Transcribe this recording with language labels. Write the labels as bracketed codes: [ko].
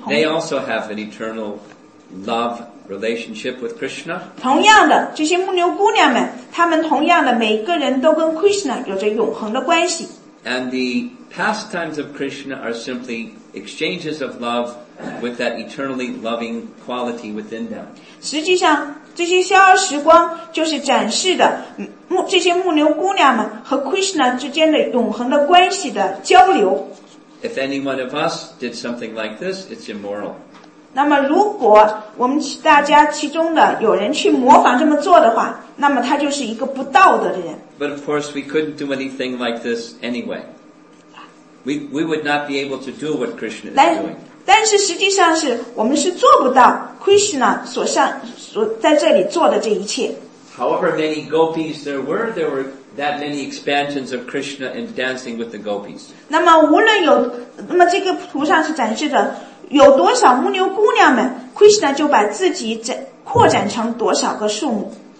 [en] they also have an eternal love relationship with Krishna. [zh] 同样的，这些牧牛姑娘们，她们同样的，每个人都跟 Krishna 有着永恒的关系。 [en] And the pastimes of Krishna are simply exchanges of love with that eternally loving quality within them. [zh] 实际上，这些逍遥时光就是展示的这些牧牛姑娘们和 Krishna 之间的永恒的关系的交流。 [en] If any one of us did something like this, it's immoral. [zh] 那么如果我们大家其中的有人去模仿这么做的话，那么他就是一个不道德的人。 [en] But of course we couldn't do anything like this anyway. We would not be able to do what Krishna is doing. [zh] 但是实际上是我们是做不到 Krishna 所在这里做的这一切。 [en] However many gopis there were that many expansions of Krishna in dancing with the gopis. [zh] 那么无论有，那么这个图上是展示的有多少牧牛姑娘们 ，Krishna 就把自己扩展成多少个数目。